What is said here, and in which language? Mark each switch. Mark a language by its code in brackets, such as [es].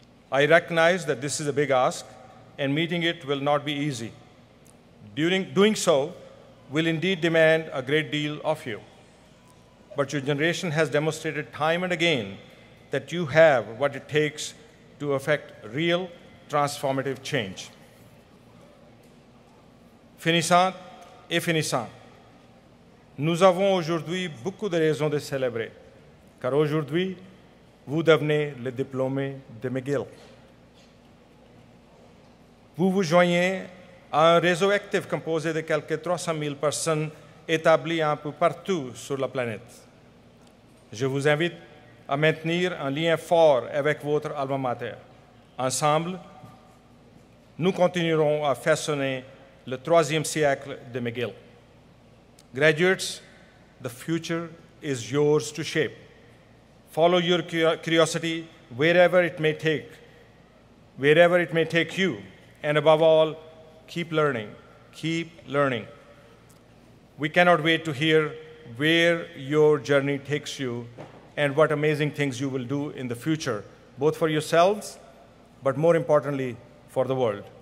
[en] I recognize that this is a big ask, and meeting it will not be easy. Doing so will indeed demand a great deal of you. But your generation has demonstrated time and again that you have what it takes to effect real transformative change. [fr] Finissant et finissant, nous avons aujourd'hui beaucoup de raisons de célébrer, car aujourd'hui, vous devenez le diplômé de McGill. Vous vous joignez à un réseau actif composé de quelques 300 000 personnes établies un peu partout sur la planète. Je vous invite à maintenir un lien fort avec votre alma mater. Ensemble, nous continuerons à façonner le troisième siècle de McGill. [en] Graduates, the future is yours to shape. Follow your curiosity wherever it may take you, and above all, keep learning. We cannot wait to hear where your journey takes you and what amazing things you will do in the future, both for yourselves, but more importantly, for the world.